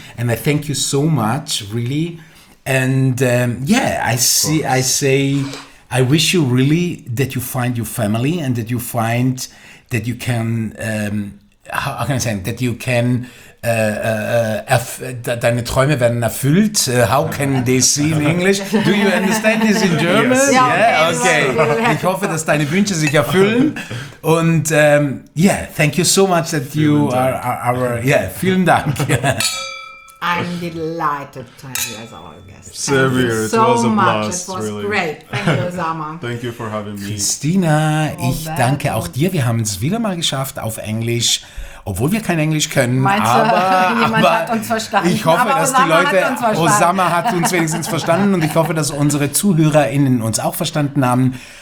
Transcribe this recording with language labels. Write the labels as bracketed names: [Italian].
[English] And I thank you so much, really. And I wish you really that you find your family and that you find that you can, how can I say, that you can, [German] deine Träume werden erfüllt. [English] How can they see in English? Do you understand this in German? Yes. Yeah, okay. [German] Ich hoffe, dass deine Wünsche sich erfüllen. [English] Und thank you so much that you are our, [German] vielen Dank. [English] I'm delighted to have you as our guest. Thank you so much. It was a blast. It was really great. Thank you, Ozama. Thank you for having me. [German] Christina, ich danke auch dir. Wir haben es wieder mal geschafft auf Englisch. Obwohl wir kein Englisch können, Ozama hat uns wenigstens verstanden und ich hoffe, dass unsere ZuhörerInnen uns auch verstanden haben.